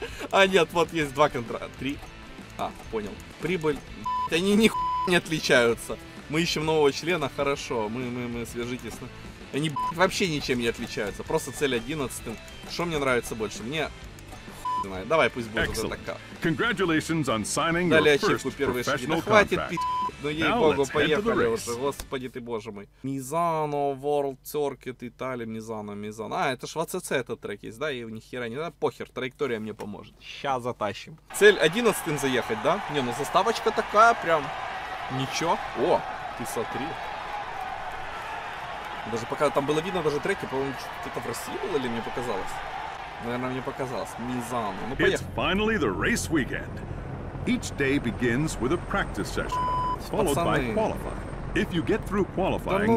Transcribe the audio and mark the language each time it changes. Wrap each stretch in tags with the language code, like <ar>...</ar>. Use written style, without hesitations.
<ru>А нет, вот есть два контракта. Три. А, понял. Прибыль. Они ни не отличаются. Мы ищем нового члена, хорошо. Мы свяжитесь. Они вообще ничем не отличаются. Просто цель 11. Что мне нравится больше? Мне... Давай, пусть будет вот это.</ru> <en>Congratulations on signing your first professional contract.</en> <ru>Да хватит пить. Ну, ей-богу, поехали уже, господи ты боже мой. Мизано, World Circuit, Италия, Мизано, Мизано. А, это ж в АЦЦ этот трек есть, да? И нихера не, да? Похер, траектория мне поможет. Сейчас затащим. Цель 11 заехать, да? Не, ну заставочка такая, прям, ничего. О, ты смотри. Даже пока там было видно, даже треки, по-моему, что-то в России было или мне показалось? Наверное, мне показалось. Мизано. Ну, поехали.</ru> <en>It's finally the race weekend. Each day begins with a practice session. Followed</en> <ru>пацаны,</ru> <en>by qualifying. If you get through qualifying,</en>